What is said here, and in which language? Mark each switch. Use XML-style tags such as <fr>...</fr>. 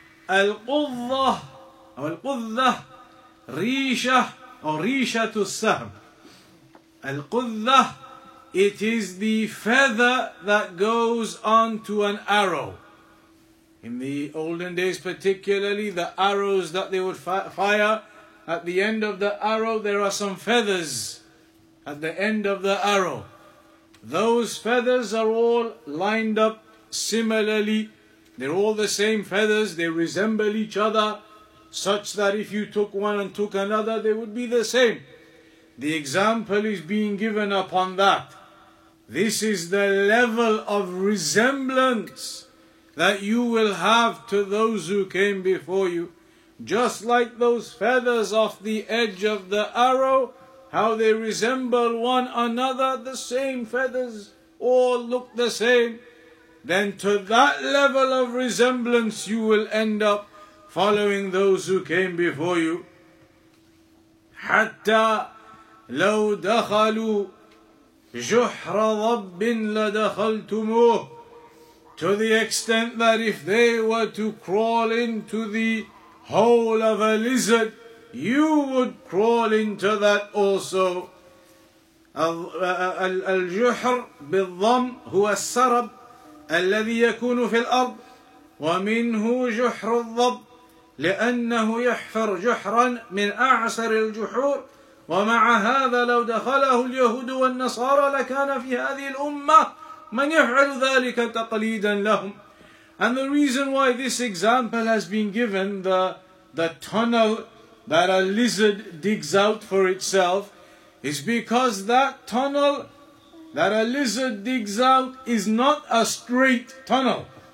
<ar>الْقُضَّةِ أو القذة ريشة أو ريشة السهم.</ar> <en>القذة, it is the feather that goes onto an arrow. In the olden days particularly, the arrows that they would fire, at the end of the arrow there are some feathers at the end of the arrow. Those feathers are all lined up similarly. They're all the same feathers, they resemble each other, such that if you took one and took another, they would be the same. The example is being given upon that. This is the level of resemblance that you will have to those who came before you. Just like those feathers off the edge of the arrow, how they resemble one another, the same feathers all look the same. Then to that level of resemblance you will end up following those who came before you.</en> <ar>حتى لو دخلوا جحر ضب لدخلتموه.</ar> <en>To the extent that if they were to crawl into the hole of a lizard, you would crawl into that also.</en> <ar>الجحر بالضم هو السرب الذي يكون في الأرض ومنه جحر الضب لأنه يحفر جحرا من أعسر الجحور ومع هذا لو دخله اليهود والنصارى لكان في هذه الأمة من يفعل ذلك تقليدا لهم.</ar> <en>And the reason why this example has been given, the tunnel that a lizard digs out for itself, is because that tunnel that a lizard digs out is not a straight tunnel.</en>